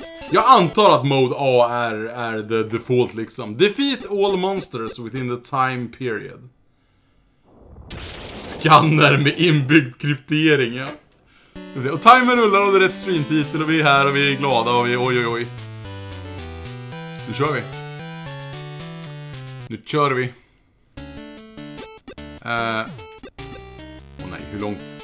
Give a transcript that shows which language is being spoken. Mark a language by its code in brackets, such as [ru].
[sv] Jag antar att mode A är [en] the default [sv] liksom. [en] Defeat all monsters within the time period. [sv] Scanner med inbyggd kryptering, ja. Och timer rullar och det är ett streamtitel och vi är här och vi är glada och vi är oj oj oj. Nu kör vi. Nu kör vi. Åh nej, hur långt?